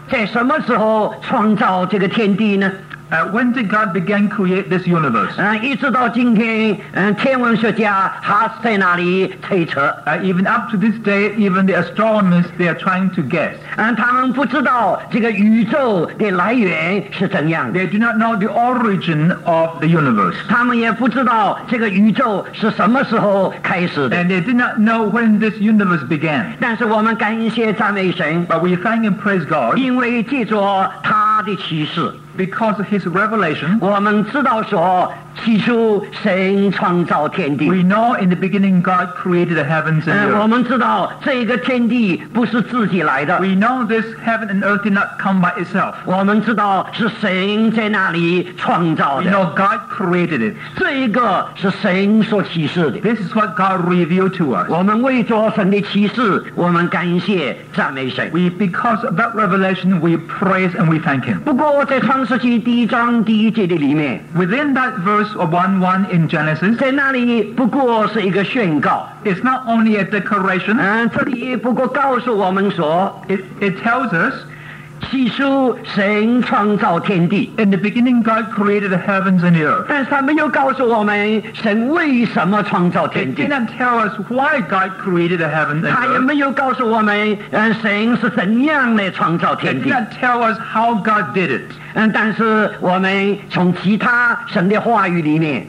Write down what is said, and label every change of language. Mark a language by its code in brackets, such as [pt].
[zh] 神在什么时候创造这个天地呢? [en] When did God begin create this universe? [zh] 一直到今天, 天文学家还在那里推测, [en] even up to this day, even the astronomers, they are trying to guess. [zh] 他们不知道这个宇宙的来源是怎样, [en] they do not know the origin of the universe. [zh] 他们也不知道这个宇宙是什么时候开始的, [en] and they did not know when this universe began. [zh] 但是我们感谢赞美神, [en] but we thank and praise God, [zh] 因为借着他的启示, [en] because of his revelation, [zh] 我们知道说, 起初神创造天地, [en] we know in the beginning God created the heavens and earth. [zh] 我们知道这个天地不是自己来的, [en] we know this heaven and earth did not come by itself. [zh] 我们知道是神在那里创造的, [en] we know God created it. [zh] 这个是神所启示的, [en] this is what God revealed to us. [zh] 我们为着神的启示, 我们感谢, 赞美神, [en] we, because of that revelation, we praise and we thank him. [zh] 不过在创世纪第一章第一节的里面, [en] within that verse of 1:1 in Genesis, [zh] 在那里不过是一个宣告, [en] it's not only a declaration, [zh] 这里不过告诉我们说, [en] it tells us, [zh] 起初神创造天地, [en] in the beginning God created the heavens and the earth. [zh] 但是他没有告诉我们神为什么创造天地, [en] it didn't tell us why God created the heavens and the earth. [zh] 他也没有告诉我们神是怎样来创造天地, [en] it didn't tell us how God did it. [zh] 但是我们从其他神的话语里面,